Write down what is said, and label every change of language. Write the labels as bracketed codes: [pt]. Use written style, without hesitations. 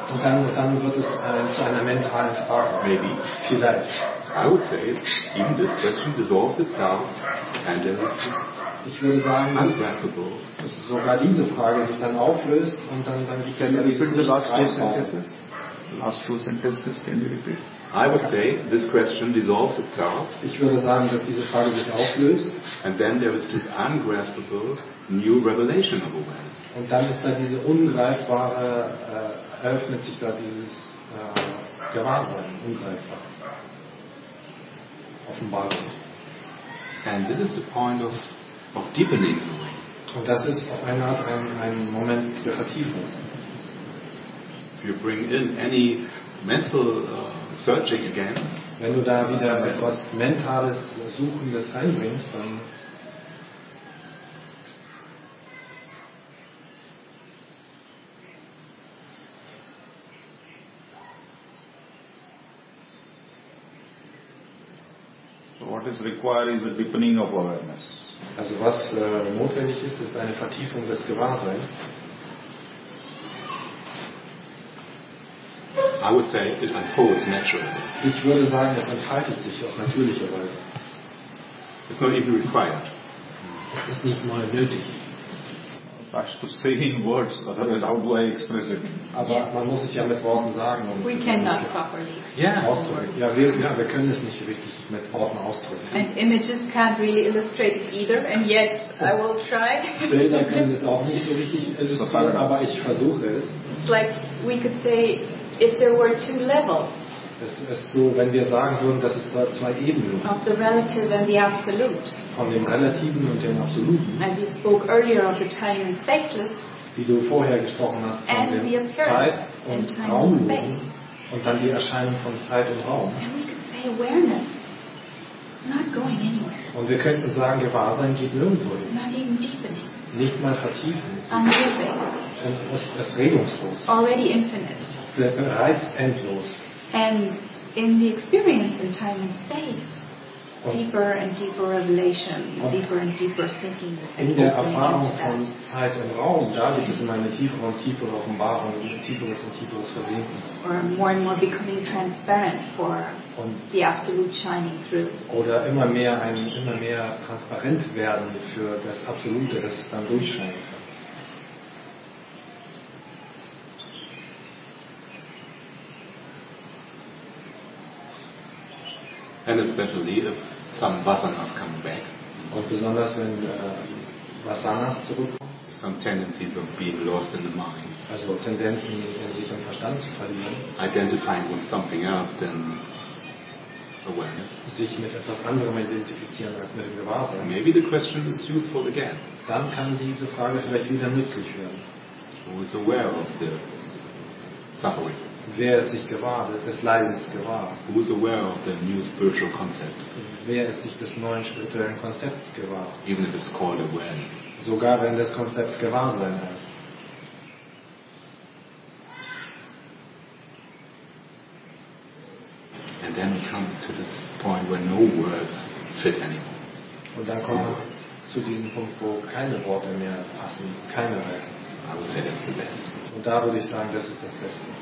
[de] Und dann wird es zu einer mentalen Frage. [en] Maybe. [de] Vielleicht. [en] I would say even this question dissolves itself and it is just, [de] ich würde sagen, [en] unraspable. [de] Sogar diese Frage sich dann auflöst und dann [en] die last two sentences, can you repeat? I would say this question dissolves itself. [de] Ich würde sagen, dass diese Frage sich auflöst. [en] And then there is this ungraspable new revelation of awareness. [de] Und dann ist da diese ungreifbare, eröffnet sich da dieses Gewahrsein, ungreifbar. Offenbar. [en] And this is the point of deepening awareness. [de] Und das ist auf eine Art ein Moment der Vertiefung. [en] If you bring in any mental searching again, [de] wenn du da wieder etwas mentales Suchendes einbringst, dann [en] is required is a deepening of awareness. [de] Also was notwendig ist, ist eine Vertiefung des Gewahrseins. [en] I would say it unfolds naturally. [de] Ich würde sagen, es entfaltet sich auf natürliche Weise. [en] It's not even required. [de] Es ist nicht mal nötig. [en] Has to say in words, otherwise how do I express it? [de] Aber man muss es ja mit Worten sagen. [en] We cannot properly. [de] Wir können es nicht richtig mit Worten ausdrücken. [en] And images can't really illustrate it either, and yet I will try. [de] Bilder können es auch nicht so richtig illustrieren, aber ich versuche es. [en] It's like we could say if there were two levels. [de] Es ist so, wenn wir sagen würden, dass es da zwei Ebenen gibt. [en] Of the relative and the absolute. [de] Von dem Relativen und dem Absoluten. [en] As you spoke earlier of the time and spaceless. [de] Wie du vorher gesprochen hast von [en] and [de] dem Zeit- und Raumlosen und dann die Erscheinung von Zeit und Raum. [en] And we could say awareness. It's not going anywhere. [de] Und wir könnten sagen, Gewahrsein geht nirgendwo hin. [en] Not even deepening. [de] Nicht mal vertiefen. [en] Unmoving. [de] Es regungslos. [en] Already infinite. [de] Bereits endlos. [en] And in the experience in time and space, deeper and deeper revelation, deeper and deeper sinking. [de] In der Erfahrung von Zeit und Raum, da gibt es immer eine tiefere und tiefere Offenbarung, tieferes und tieferes Versinken. [en] Or more and more becoming transparent for the absolute shining through. [de] Oder immer mehr transparent werden für das Absolute, das dann durchscheint. [en] And especially if some vasanas come back. [de] Und besonders wenn Vasanas zurückkommen. [en] Some tendencies of being lost in the mind. [de] Also Tendenzen, in sich im Verstand zu verlieren. [en] Identifying with something else than awareness. [de] Sich mit etwas anderem identifizieren als mit dem Gewahrsein. [en] Maybe the question is useful again. [de] Dann kann diese Frage vielleicht wieder nützlich werden. [en] Who is aware of the suffering? [de] Wer ist sich gewahr, des Leidens gewahr? [en] Who is aware of the new spiritual concept? [de] Wer ist sich des neuen spirituellen Konzepts gewahr? [en] Even if it's called awareness. [de] Sogar wenn das Konzept Gewahrsein heißt. [en] And then we come to this point where no words fit anymore. [de] Und dann kommen wir zu diesem Punkt, wo keine Worte mehr passen, keine mehr. [en] I would say that's the best. [de] Und da würde ich sagen, das ist das Beste.